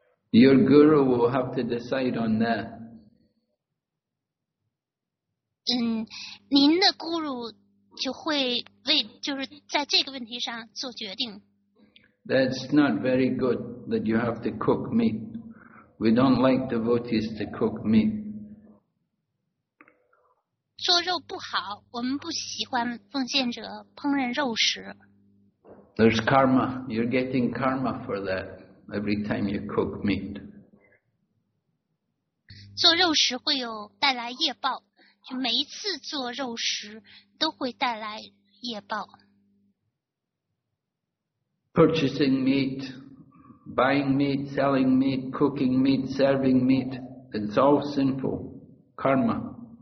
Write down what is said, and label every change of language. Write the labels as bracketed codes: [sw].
[en] Your guru will have to decide on that. [zh] 您的咕噜就会为就是在这个问题上做决定。 [en] That's not very good that you have to cook meat. We don't like devotees to cook meat. [zh] 做肉不好，我们不喜欢奉献者烹饪肉食。 There's karma. You're getting karma for that every time you cook meat. 做肉食会有带来业报。每一次做肉食都会带来业报。 [en] Purchasing meat, buying meat, selling meat, cooking meat, serving meat, it's all sinful karma.